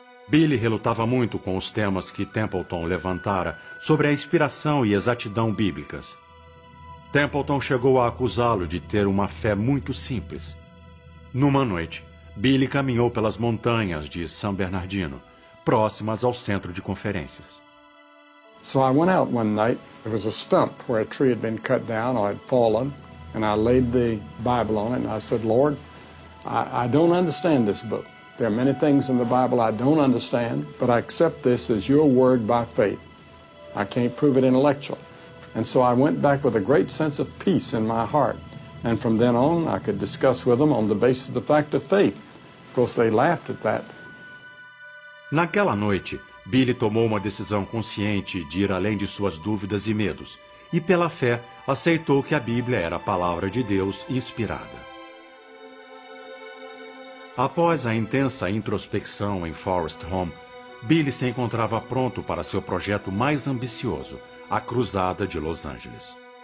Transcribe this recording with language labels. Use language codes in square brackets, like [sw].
[pt] Billy relutava muito com os temas que Templeton levantara sobre a inspiração e exatidão bíblicas. Templeton chegou a acusá-lo de ter uma fé muito simples. Numa noite, Billy caminhou pelas montanhas de San Bernardino, próximas ao centro de conferências. [en] So I went out one night. There was a stump where a tree had been cut down or had fallen, and I laid the Bible on it, and I said, Lord, I don't understand this book. There are many things in the Bible I don't understand, but I accept this as your word by faith. I can't prove it intellectually. And so I went back with a great sense of peace in my heart, and from then on I could discuss with them on the basis of the fact of faith. Of course, they laughed at that. [pt] Naquela noite, Billy tomou uma decisão consciente de ir além de suas dúvidas e medos, e pela fé aceitou que a Bíblia era a palavra de Deus inspirada. Após a intensa introspecção em Forest Home, Billy se encontrava pronto para seu projeto mais ambicioso, a Cruzada de Los Angeles.